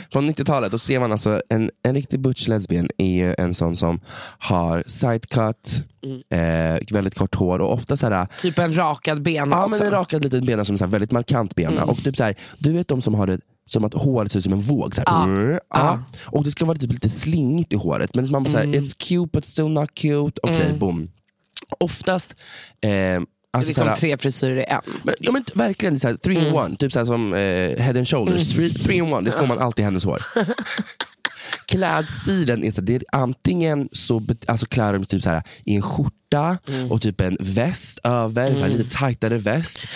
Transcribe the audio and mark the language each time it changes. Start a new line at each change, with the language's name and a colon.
Swedish: Från 90-talet, då ser man alltså en riktig butch lesbian är ju en sån som har sidecut, väldigt kort hår och ofta så här typ en rakad ben. Ja, också. Men en rakad liten ben som är så här väldigt markant ben. Mm. Och typ så här, du vet de som har det. Som att håret ser ut som en våg. Såhär. Och det ska vara typ lite slingigt i håret. Men man bara såhär,
English: it's cute but still not cute.
Swedish: Okej, okay, boom. Oftast alltså, det är liksom såhär, tre frisyrer i en. Men, ja, men verkligen, såhär,
English: three in one.
Swedish: Typ såhär, som head and shoulders. Three in one, det får man alltid i hennes hår. Klädstilen är såhär, det är antingen så alltså, klär de typ såhär, i en skjorta och typ en väst över, en såhär, lite tajtare väst.